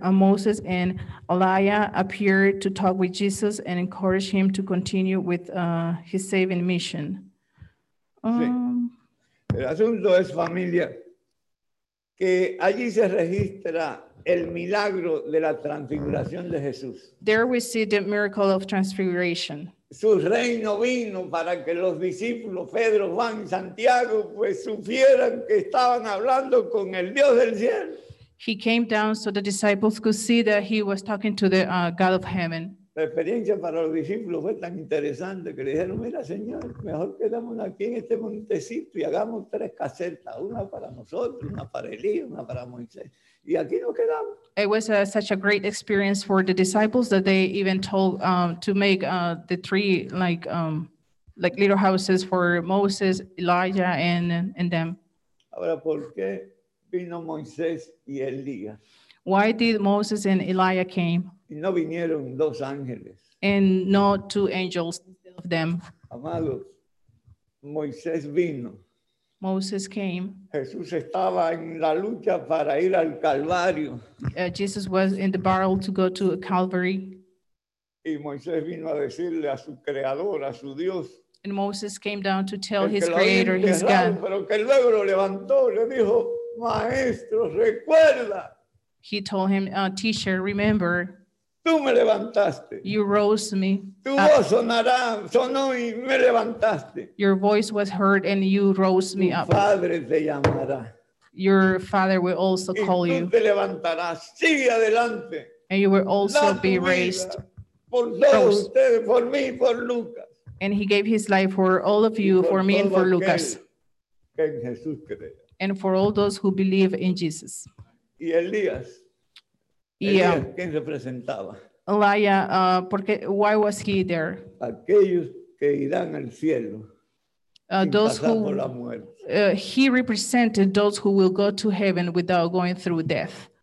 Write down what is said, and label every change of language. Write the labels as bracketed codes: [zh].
[en] Moses and Elijah appeared to talk with Jesus and encourage him to continue with his saving mission. Sí. [es] El asunto es, familia, que allí se registra el milagro de la transfiguración de Jesús. [en] There we see the miracle of transfiguration. [es] Su reino vino para que los discípulos Pedro, Juan y Santiago pues supieran que estaban hablando con el Dios del cielo. [en] He came down so the disciples could see that he was talking to the God of heaven. [es] La experiencia para los discípulos fue tan interesante que le dijeron, mira, Señor, mejor quedamos aquí en este montecito y hagamos tres casetas, una para nosotros, una para Elías, una para Moisés. Y aquí nos quedamos. [en] It was such a great experience for the disciples that they even told to make the three like little houses for Moses, Elijah, and them. [es] Ahora, ¿por qué vino Moisés y Elías? [en] Why did Moses and Elijah came? [es] Y no vinieron dos ángeles. [en] And not two angels instead of them. [es] Amados, Moisés vino. [en] Moses came. [es] Jesús estaba en la lucha para ir al Calvario. [en] Jesus was in the battle to go to Calvary. [es] Y Moisés vino a decirle a su creador, a su Dios. [en] And Moses came down to tell his creator, his God. [es] Pero que luego lo levantó, le dijo, Maestro, recuerda. [en] He told him, teacher, remember. [es] Tú me levantaste. [en] You rose me. [es] Tu voz sonará, sonó y me levantaste. [en] Your voice was heard and you rose me up. [es] Tu padre te llamará. [en] Your father will also call you. [es] Y tú te levantarás. Sigue adelante. [en] And you will also be raised. [es] Por todos ustedes, por mí, por Lucas. [en] And he gave his life for all of you, for me and for Lucas. [es] Que en Jesús crea. [en] And for all those who believe in Jesus. [es] Y Elías. Yeah. ¿Quién representaba? [en] Elijah, [es] porque, [en] why was he there? [es] Aquellos que irán al cielo. [en] Those who, [es] la muerte. [en] He represented those who will go to heaven without going through death.